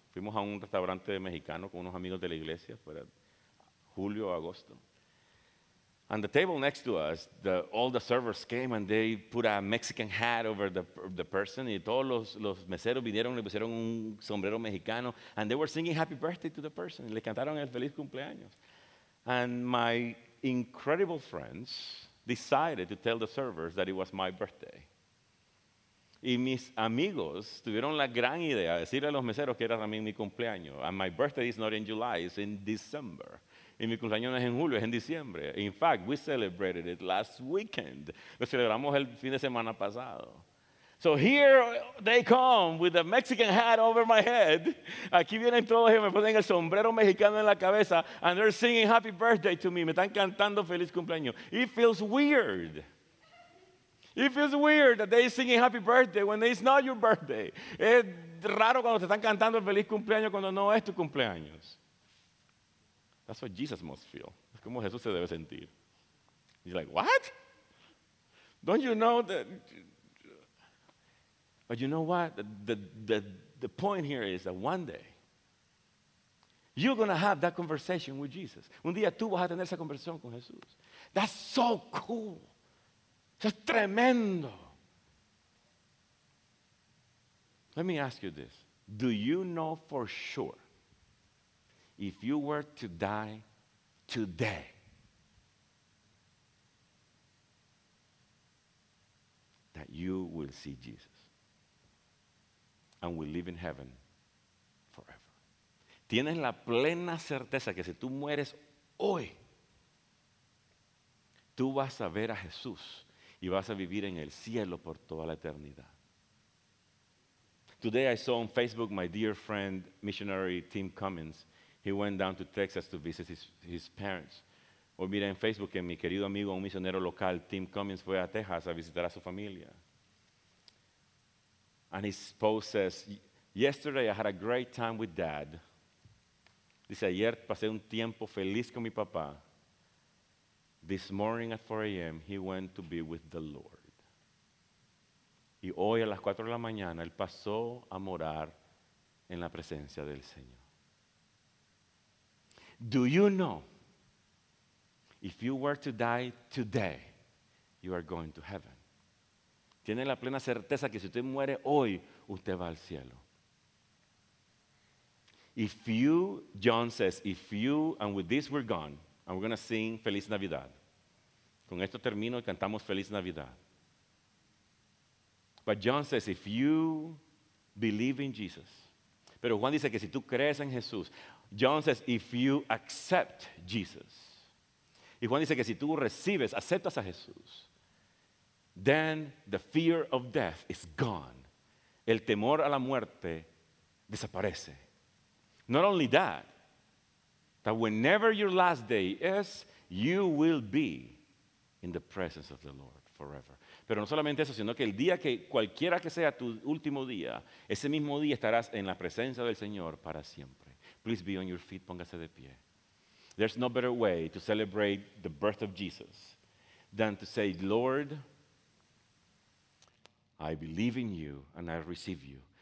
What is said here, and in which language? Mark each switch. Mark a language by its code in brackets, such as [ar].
[es] Fuimos a un restaurante mexicano con unos amigos de la iglesia, fuera julio, agosto. [en] And the table next to us, all the servers came and they put a Mexican hat over the person. [es] Y todos los meseros vinieron y le pusieron un sombrero mexicano. [en] And they were singing happy birthday to the person. [es] Y le cantaron el feliz cumpleaños. [en] And my incredible friends decided to tell the servers that it was my birthday. [es] Y mis amigos tuvieron la gran idea de decirle a los meseros que era también mi cumpleaños. [en] And my birthday is not in July, it's in December. [es] Y mi cumpleaños no es en julio, es en diciembre. [en] In fact, we celebrated it last weekend. [es] Lo celebramos el fin de semana pasado. [en] So here they come with a Mexican hat over my head. [es] Aquí vienen todos y me ponen el sombrero mexicano en la cabeza. [en] And they're singing happy birthday to me. [es] Me están cantando feliz cumpleaños. [en] It feels weird. It feels weird that they're singing happy birthday when it's not your birthday. [es] Es raro cuando te están cantando feliz cumpleaños cuando no es tu cumpleaños. [en] That's what Jesus must feel. [es] Es como Jesús se debe sentir. [en] He's like, what? Don't you know that? But you know what? The point here is that one day, you're going to have that conversation with Jesus. [es] Un día tú vas a tener esa conversación con Jesús. [en] That's so cool. [es] Eso es tremendo. [en] Let me ask you this. Do you know for sure if you were to die today? That you will see Jesus. And will live in heaven forever. [es] Tienes la plena certeza que si tú mueres hoy, tú vas a ver a Jesús y vas a vivir en el cielo por toda la eternidad. [en] Today I saw on Facebook my dear friend, missionary Tim Cummins. He went down to Texas to visit his parents. [es] Hoy mira en Facebook que mi querido amigo, un misionero local, Tim Cummins, fue a Texas a visitar a su familia. [en] And his post says, yesterday I had a great time with dad. [es] Dice, ayer pasé un tiempo feliz con mi papá. [en] This morning at 4 a.m. he went to be with the Lord. [es] Y hoy a las 4 de la mañana él pasó a morar en la presencia del Señor. [en] Do you know? If you were to die today, you are going to heaven. [es] Tiene la plena certeza que si usted muere hoy, usted va al cielo. [en] If you, John says, if you, and with this we're gone, and we're going to sing Feliz Navidad. [es] Con esto termino y cantamos Feliz Navidad. [en] But John says, if you believe in Jesus. [es] Pero Juan dice que si tú crees en Jesús. [en] John says, if you accept Jesus. [es] Y Juan dice que si tú recibes, aceptas a Jesús, [en] then the fear of death is gone. [es] El temor a la muerte desaparece. [en] Not only that whenever your last day is, you will be in the presence of the Lord forever. [es] Pero no solamente eso, sino que el día que, cualquiera que sea tu último día, ese mismo día estarás en la presencia del Señor para siempre. [en] Please be on your feet, [es] póngase de pie. [en] There's no better way to celebrate the birth of Jesus than to say, Lord, I believe in you and I receive you.